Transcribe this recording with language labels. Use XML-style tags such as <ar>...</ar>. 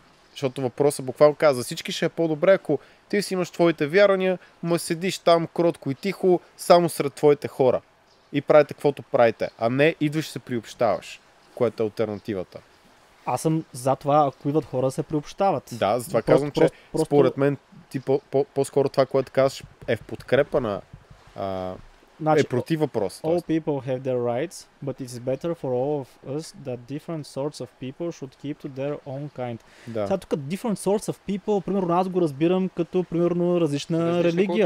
<bg>Защото въпросът буквално казва, всички ще е по-добре, ако ти си имаш твоите вярвания, ма седиш там кротко и тихо, само сред твоите хора. И правите каквото правите, а не идваш се приобщаваш, което е альтернативата. Аз съм за това, ако идват хора да се приобщават. Да, затова казвам, че според мен ти по-скоро това, което казваш, е в подкрепа на... Значи, е против въпрос.</bg> <en>All people have their rights, but it's better for all of us that different sorts of people should keep to their own kind.</en> <bg>Да. Сега тук</bg> <en>different sorts of people,</en> <bg>примерно аз го разбирам като примерно различна религия.</bg>